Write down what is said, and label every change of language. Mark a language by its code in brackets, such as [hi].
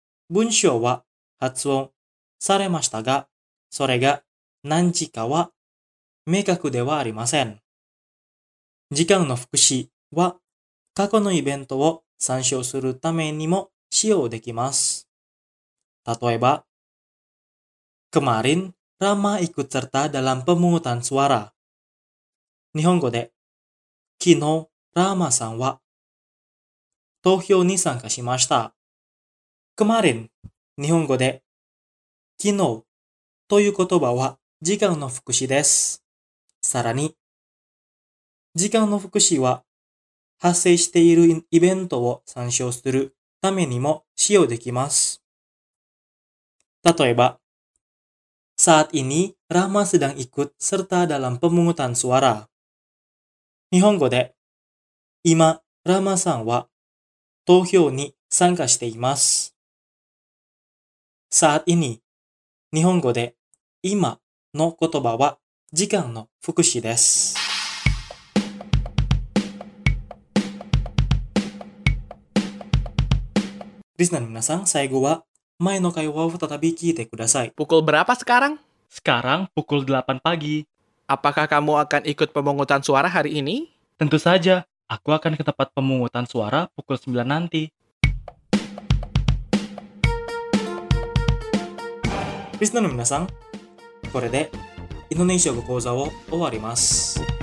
[ja] 文章は発音されましたが、それが何時かは明確ではありません。時間の副詞は過去のイベントを参照するためにも使用できます。例えば、 [id] Kemarin Rama ikut serta dalam pemungutan suara. [ja] 日本語で、昨日 Rama さんは投票に参加しました。 Kemarin 日本語で、昨日という言葉は時間の副詞です。さらに、時間の副詞は発生しているイベントを参照するためにも使用できます。例えば、 [id] Saat ini Rama sedang ikut serta dalam pemungutan suara. [ja] 日本語で、今 Rama さんは投票に参加しています。 Saat ini 日本語で、今の言葉は時間の副詞です。リスナーの皆さん、最後は前の会話を再び聞いてください。 [id] Pukul berapa sekarang? Sekarang pukul 8 pagi. Apakah kamu akan ikut pemungutan suara hari ini? Tentu saja, aku akan ke tempat pemungutan suara pukul 9 nanti. [ja] リスナーの皆さん、これでインドネシア語講座を終わります。